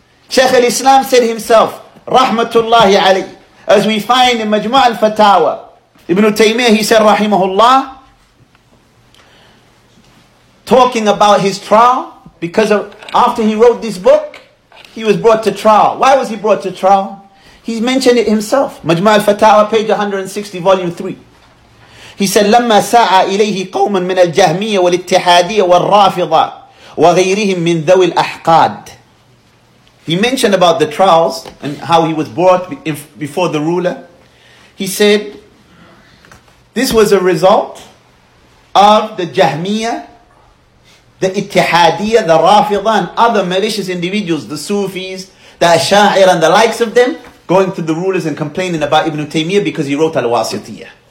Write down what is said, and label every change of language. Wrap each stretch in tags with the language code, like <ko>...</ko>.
<en>Shaykh al-Islam said himself, rahmatullahi alayhi, as we find in Majmu' al-Fatawa, ibn Taymiyyah, he said, rahimahullah, talking about his trial, because of, after he wrote this book, he was brought to trial. Why was he brought to trial? He mentioned it himself. Majmu' al-Fatawa, page 160, volume 3. He said,</en> <ar>لما ساعى إليه قوما من الجهمية والاتحادية والرافضة وغيرهم من ذوي الأحقاد.</ar> <en>He mentioned about the trials and how he was brought before the ruler. He said, this was a result of the Jahmiyyah, the Ittihadiyyah, the Rafidah, and other malicious individuals, the Sufis, the Ash'ari and the likes of them, going to the rulers and complaining about Ibn Taymiyyah because he wrote Al-Wasitiyah.</en>